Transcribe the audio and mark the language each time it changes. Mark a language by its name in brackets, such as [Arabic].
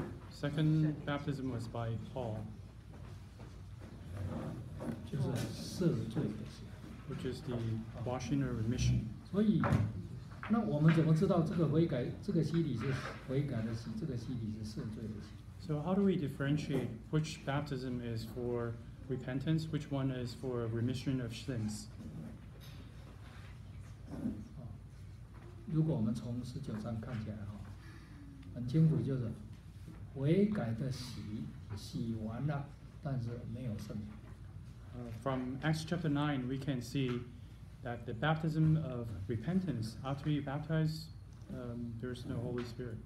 [English] Second baptism was by Paul, which is the washing or remission. [Chinese] 所以，那我们怎么知道这个悔改、这个洗礼是悔改的洗，这个洗礼是赦罪的洗 [English] ？So how do we differentiate which baptism is for repentance, which one is for remission of sins? [Chinese] 如果我们从十九章看起来很清楚就是。悔改的洗洗完了，但是没有圣灵。 [English] From Acts chapter 9, we can see that the baptism of repentance after you baptize, there is no Holy Spirit.